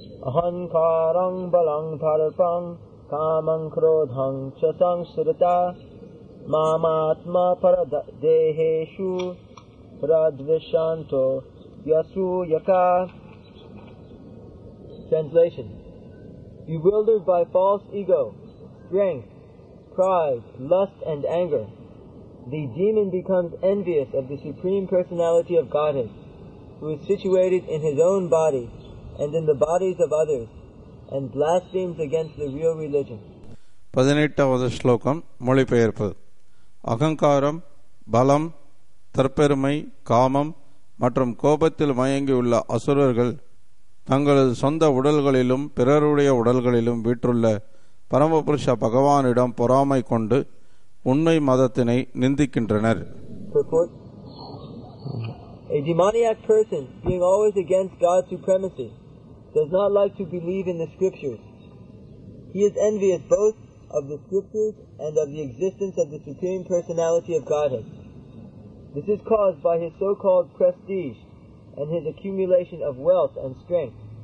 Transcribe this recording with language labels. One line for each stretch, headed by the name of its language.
Sanskrit: அஹங்காரம் பலம் தர்பம் காமம் க்ரோதம் ச சம்ஸ்ருதா மாமாத்மா பரதேஹேஷு ப்ரத்விஷாந்தோ யசூயகா.
English: Translation: bewildered by false ego, strength, pride, lust and anger, the demon becomes envious of the Supreme Personality of Godhead, who is situated in his own body and in the bodies of others, and blasphemes against the real religion.
Tamil: 18th ஸ்லோகம் மொழிபெயர்ப்பு. அகங்காரம், பலம், தற்பெருமை, காமம் மற்றும் கோபத்தில் மயங்கியுள்ள அசுரர்கள் தங்களது சொந்த உடல்களிலும் பிறருடைய உடல்களிலும் வீற்றுள்ள பரமபுருஷ பகவானிடம் பொறாமை கொண்டு உண்மை மதத்தினை நிந்திக்கின்றனர்.
English: A demoniac person, being always against God's supremacy, does not like to believe in the scriptures. He is envious both of the scriptures and of the existence of the Supreme Personality of Godhead. This is caused by his so-called prestige and his accumulation of wealth and strength.